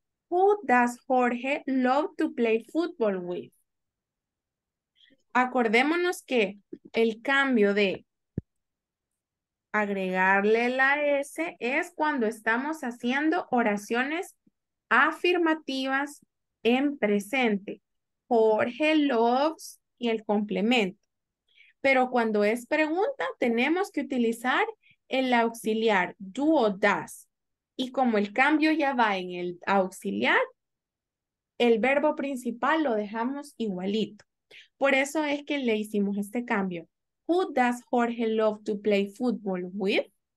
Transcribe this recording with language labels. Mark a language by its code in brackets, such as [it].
[en] Who does Jorge love to play football with? [es] Acordémonos que el cambio de agregarle la S es cuando estamos haciendo oraciones afirmativas en presente. Jorge loves y el complemento. Pero cuando es pregunta, tenemos que utilizar el auxiliar do o does. Y como el cambio ya va en el auxiliar, el verbo principal lo dejamos igualito. Por eso es que le hicimos este cambio. [en] Who does Jorge love to play football with?